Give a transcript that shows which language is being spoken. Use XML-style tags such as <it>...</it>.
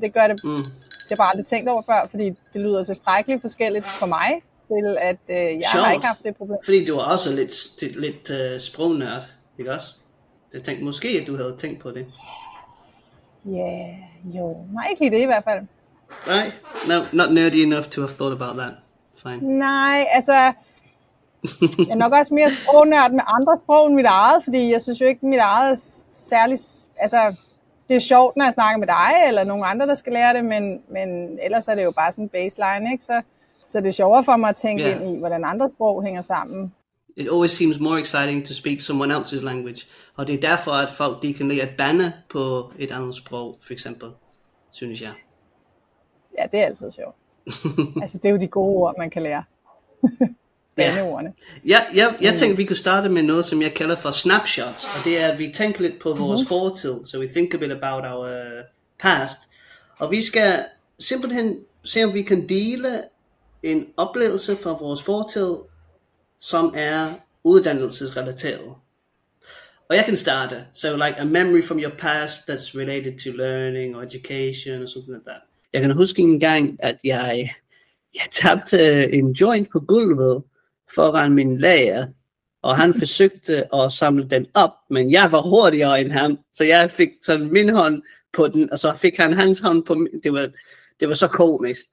<da>Det gør det, jeg bare aldrig tænkt over før, fordi det lyder tilstrækkeligt forskelligt for mig. Jeg har ikke haft det problem. Fordi du var også lidt sprognørd, ikke også? Jeg tænkte måske, at du havde tænkt på det. Ja, jo. Nej, ikke lige det i hvert fald. Nej,</da> <en>no, not nerdy enough to have thought about that. Fine.</en> <da>Nej, altså, jeg er nok også mere sprognørd med andre sprog end mit eget, fordi jeg synes jo ikke, mit eget er særlig, altså, det er sjovt, når jeg snakker med dig, eller nogen andre, der skal lære det, men ellers er det jo bare sådan en baseline, ikke? Så det er sjovere for mig at tænke ind i, hvordan andre sprog hænger sammen.</da> <en>It always seems more exciting to speak someone else's language.</en> <da>Og det er derfor, at folk de kan lide at bande på et andet sprog, for eksempel, synes jeg. Ja, det er altid sjovt. Altså, det er jo de gode ord, man kan lære. Bandeordene. Jeg tænker, vi kunne starte med noget, som jeg kalder for snapshots. Og det er, at vi tænker lidt på vores fortid.</da> <en>So we think a bit about our past.</en> <da>Og vi skal simpelthen se, om vi kan dele en oplevelse fra vores fortid, som er uddannelsesrelateret. Og jeg kan starte.</da> <en>So like a memory from your past that's related to learning or education or something like that.</en> <da>Jeg kan huske en gang, at jeg tabte en joint på gulvet foran min lærer, og han forsøgte at samle den op, men jeg var hurtigere end ham, så jeg fik sådan min hånd på den, og så fik han hans hånd på min. Det var så komisk.</da>